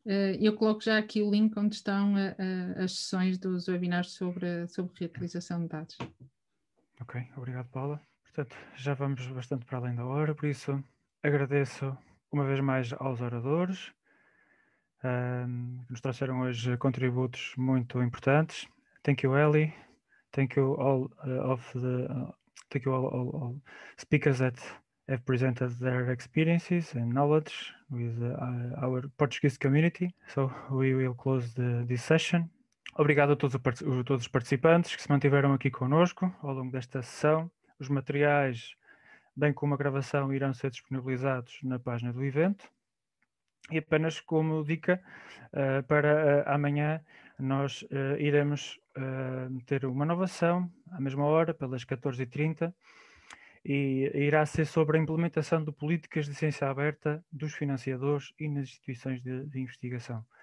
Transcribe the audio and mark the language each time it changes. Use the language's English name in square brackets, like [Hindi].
[Portuguese] Eu coloco já aqui o link onde estão as sessões dos webinars sobre reutilização de dados. Ok, obrigado, Paula. Portanto, já vamos bastante para além da hora, por isso agradeço uma vez mais aos oradores que nos trouxeram hoje contributos muito importantes. [English] Thank you, Elli. Thank you all of the thank you all speakers that have presented their experiences and knowledge with our Portuguese community. So we will close this session. [Portuguese] Obrigado a todos os participantes que se mantiveram aqui connosco ao longo desta sessão. Os materiais, bem como a gravação, irão ser disponibilizados na página do evento. E apenas como dica, para amanhã nós iremos ter uma nova sessão, à mesma hora, pelas 14h30, e irá ser sobre a implementação de políticas de ciência aberta dos financiadores e nas instituições de investigação.